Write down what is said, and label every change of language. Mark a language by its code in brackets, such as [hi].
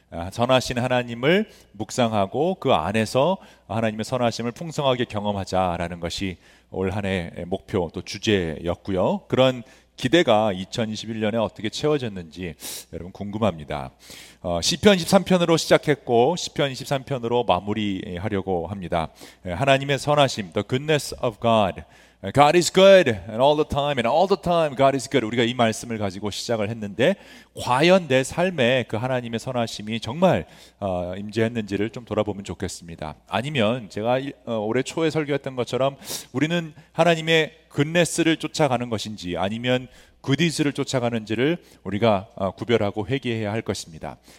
[ko] 선하신 하나님을 묵상하고 그 안에서 하나님의 선하심을 풍성하게 경험하자라는 것이 올 한 해의 목표 또 주제였고요. 그런 기대가 2021년에 어떻게 채워졌는지 여러분 궁금합니다. 시편 23편으로 시작했고 시편 23편으로 마무리하려고 합니다. 하나님의 선하심, [en] The goodness of God. God is good and all the time God is good. [ko] 우리가 이 말씀을 가지고 시작을 했는데 과연 내 삶에 그 하나님의 선하심이 정말 임재했는지를 좀 돌아보면 좋겠습니다. 아니면 제가 올해 초에 설교했던 것처럼 우리는 하나님의 goodness를 쫓아가는 것인지 아니면 goodies를 쫓아가는지를 우리가 구별하고 회개해야 할 것입니다.